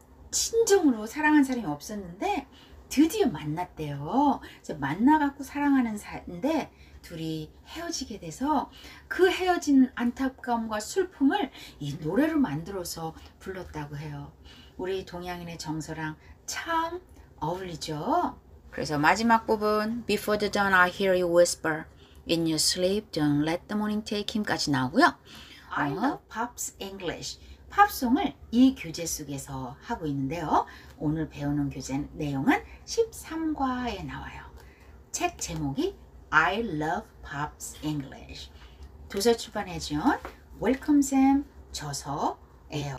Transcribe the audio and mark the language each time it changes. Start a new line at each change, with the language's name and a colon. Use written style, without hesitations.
Korean: 친정으로 사랑한 사람이 없었는데 드디어 만났대요 만나갖고 사랑하는 사이인데 둘이 헤어지게 돼서 그 헤어진 안타까움과 슬픔을 이 노래로 만들어서 불렀다고 해요 우리 동양인의 정서랑 참 어울리죠 그래서 마지막 부분
English: Before the dawn I hear you whisper In your sleep don't let the morning take him
Korean: 까지 나오고요 I love Pop's English 팝송을 이 교재 속에서 하고 있는데요 오늘 배우는 교재 내용은 13과에 나와요 책 제목이 I love Pop's English 도서 출판의 지원 Welcome Sam 저서예요